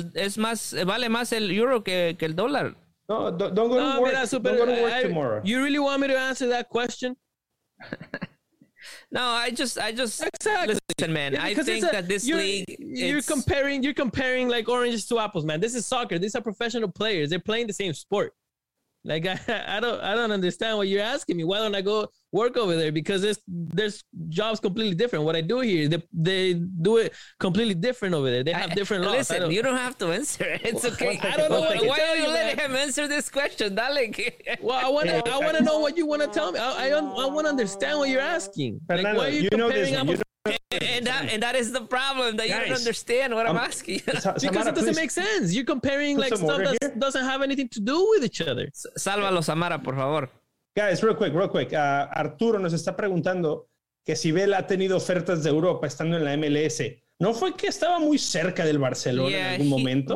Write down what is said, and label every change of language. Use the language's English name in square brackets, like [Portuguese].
[Spanish] Es más, vale más el euro que el dólar. [English] Don't go to work tomorrow. You really want me to answer that question? No, I just exactly. Listen, man. Yeah, I think that this you're comparing like oranges to apples, man. This is soccer. These are professional players. They're playing the same sport. Like I don't understand what you're asking me. Why don't I go work over there? Because there's jobs completely different. What I do here, they do it completely different over there. They have different laws. Listen, you don't have to answer it. It's okay. Why are you letting him answer this question, darling? Well, I want to know what you want to tell me. I want to understand what you're asking. Fernando, like, why are you comparing apples? And that is the problem that you don't understand what I'm asking. Because it doesn't make sense. You're comparing like stuff that doesn't have anything to do with each other. [Spanish] Sálvalo, Samara, por favor. [English] Guys, real quick. [Spanish] Arturo nos está preguntando que si Vela ha tenido ofertas de Europa estando en la MLS. ¿No fue que estaba muy cerca del Barcelona en algún momento?